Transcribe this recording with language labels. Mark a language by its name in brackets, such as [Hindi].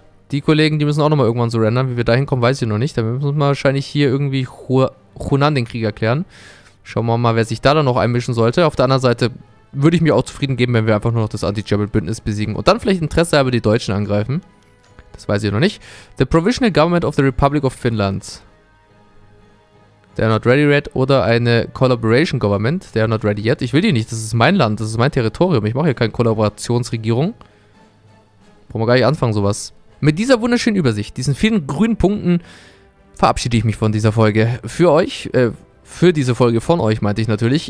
[German] Die Kollegen, die müssen auch nochmal irgendwann surrendern. Wie wir da hinkommen, weiß ich noch nicht. Da müssen wir wahrscheinlich hier irgendwie Hunan den Krieg erklären. Schauen wir mal, wer sich da dann noch einmischen sollte. Auf der anderen Seite würde ich mir auch zufrieden geben, wenn wir einfach nur noch das Anti-German-Bündnis besiegen. Und dann vielleicht Interesse aber die Deutschen angreifen. Das weiß ich noch nicht. [English] The Provisional Government of the Republic of Finland. They are not ready yet. [German] Oder eine Collaboration Government. [English] They are not ready yet. [German] Ich will die nicht. Das ist mein Land. Das ist mein Territorium. Ich mache hier keine Kollaborationsregierung. Brauchen wir gar nicht anfangen, sowas. Mit dieser wunderschönen Übersicht, diesen vielen grünen Punkten, verabschiede ich mich von dieser Folge. Für euch, für diese Folge von euch, meinte ich natürlich.